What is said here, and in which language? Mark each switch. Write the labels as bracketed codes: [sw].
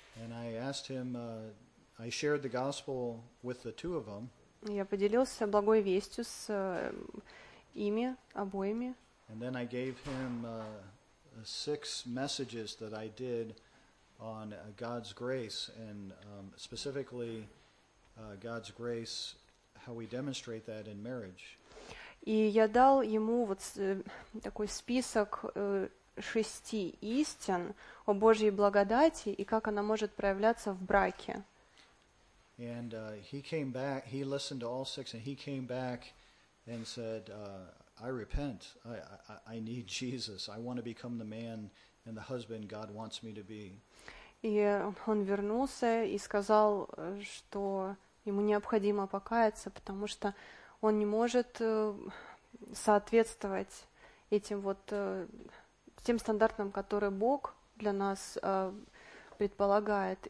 [en] And I asked him, I shared the gospel with the two of them. [ru] Я поделился благой вестью с ими обоими. [en] And then I gave him six messages that I did on God's grace and specifically God's grace, how we demonstrate that in marriage. [ru] И я дал ему вот такой список шести истин о Божьей благодати и как она может проявляться в браке. [en] And he came back, he listened to all six and he came back and said, I repent. I need Jesus. I want to become the man and the husband God wants me to be. [ru] И он вернулся и сказал, что ему необходимо покаяться, потому что он не может соответствовать этим вот тем стандартам, которые Бог для нас предполагает.